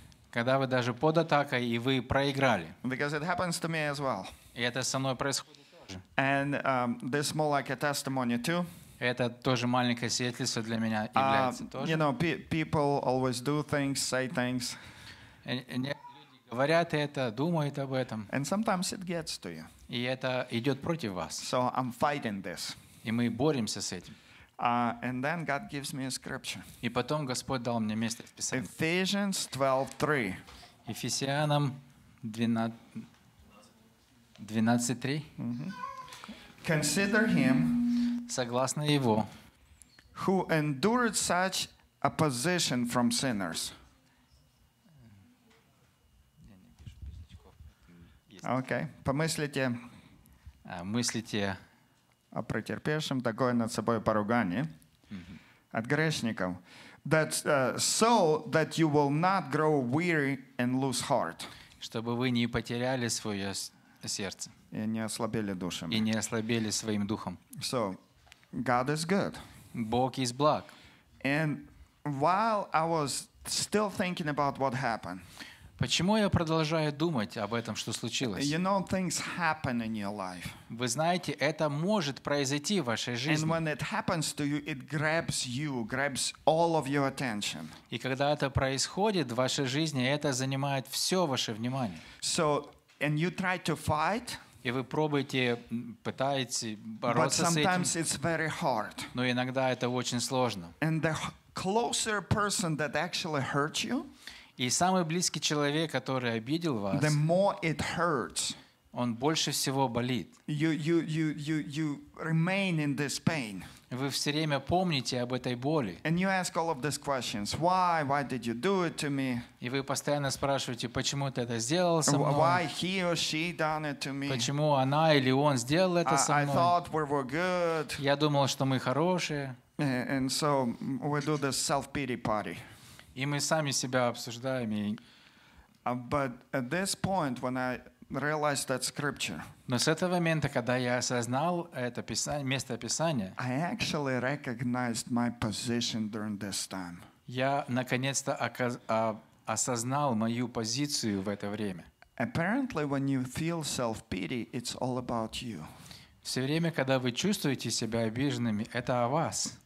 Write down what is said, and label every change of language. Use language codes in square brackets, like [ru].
[ru] Когда вы даже под атакой, и вы проиграли. [en] Because it happens to me as well. [ru] И это со мной происходит тоже. [en] And this more like a testimony too. [ru] Это тоже маленькое свидетельство для меня является тоже. [en] You know, people always do things, say things. [ru] Говорят это, думают об этом. [en] And sometimes it gets to you. [ru] И это идет против вас. [en] So I'm fighting this. [ru] И мы боремся с этим. [en] And then God gives me a scripture. [ru] И потом Господь дал мне место в Писании. [en] Ephesians 12:3. [ru] Ефесянам 12:3. [en] Consider him. [ru] Согласно его. [en] Who endured such opposition from sinners? [ru] Okay. Помыслите. Мыслите. О претерпевшем такое над собой поругание от грешников. [en] That, so that you will not grow weary and lose heart. [ru] Чтобы вы не потеряли свое сердце. И не ослабели душами. И не ослабели своим духом. [en] So, God is good. [ru] Бог is благ. [en] And while I was still thinking about what happened. [ru] Почему я продолжаю думать об этом, что случилось? [en] You know, things happen in your life. [ru] Вы знаете, это может произойти в вашей жизни. [en] And when it happens to you, it grabs you, grabs all of your attention. [ru] И когда это происходит в вашей жизни, это занимает все ваше внимание. [en] So, and you try to fight. [ru] И вы пробуете, пытаетесь бороться [en] but sometimes [ru] с этим. [en] It's very hard. [ru] Но иногда это очень сложно. [en] And the closer person that actually hurt you. [ru] И самый близкий человек, который обидел вас, [en] the more it hurts, [ru] он больше всего болит. [en] You remain in this pain. [ru] Вы все время помните об этой боли. [en] And you ask all of these questions. Why did you do it to me? [ru] И вы постоянно спрашиваете, почему ты это сделал со мной? [en] Why he or she done it to me? [ru] Почему она или он сделал это со мной? [en] I thought we were good. [ru] Я думал, что мы хорошие. [en] And so we do this self-pity party. [ru] И мы сами себя обсуждаем. [en] But at this point, when I realized that scripture, [ru] но с этого момента, когда я осознал это место Писания, [en] I actually recognized my position during this time. [ru] Я наконец-то осознал мою позицию в это время. [en] Apparently, when you feel self-pity, it's all about you. [ru] Все время, когда вы чувствуете себя обиженными, это о вас.